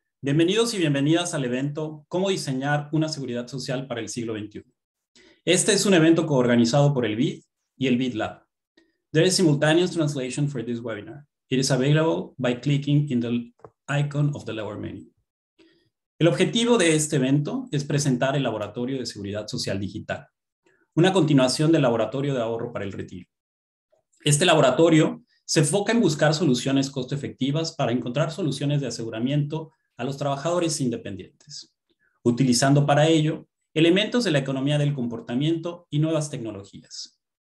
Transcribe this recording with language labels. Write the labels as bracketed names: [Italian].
[Spanish] Bienvenidos y bienvenidas al evento ¿Cómo diseñar una seguridad social para el siglo XXI? Este es un evento coorganizado por el BID y el BID Lab. [English] There is simultaneous translation for this webinar. It is available by clicking in the icon of the lower menu. [Spanish] El objetivo de este evento es presentar el Laboratorio de Seguridad Social Digital, una continuación del Laboratorio de Ahorro para el Retiro. Este laboratorio se enfoca en buscar soluciones costo efectivas para encontrar soluciones de aseguramiento a los trabajadores independientes, utilizando para ello elementos de la economía del comportamiento y nuevas tecnologías.